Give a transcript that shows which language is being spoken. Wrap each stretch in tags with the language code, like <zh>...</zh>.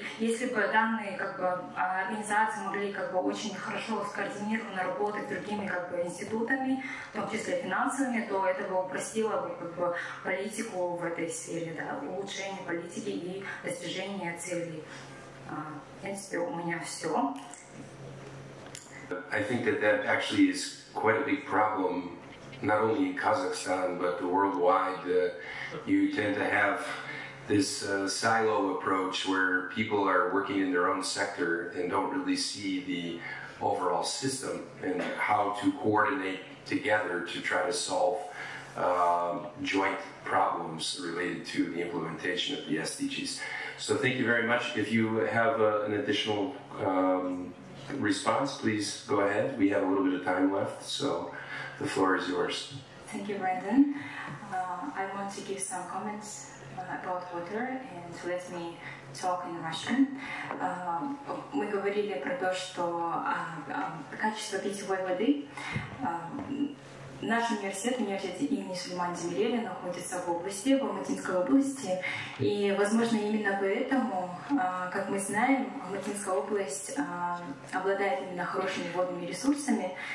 <ru>И если бы данные организации могли очень хорошо скоординированно работать с другими институтами, в том числе финансовыми, то это бы упростило бы политику в этой сфере, да, улучшение политики и достижение целей. В принципе, у меня все.</ru> <en>I think that actually is quite a big problem. Not only in Kazakhstan, but worldwide, you tend to have this silo approach where people are working in their own sector and don't really see the overall system and how to coordinate together to try to solve joint problems related to the implementation of the SDGs. So thank you very much. If you have an additional response, please go ahead. We have a little bit of time left, so the floor is yours. Thank you, Brandon. I want to give some comments about water, and let me talk in Russian.</en> <ru>Мы говорили про то, что качество питьевой воды. Наш университет, университет имени Сулеймана Демирели, находится в области, в Алматинской области. И, возможно, именно поэтому, как мы знаем, Алматинская область обладает именно хорошими водными ресурсами.</ru>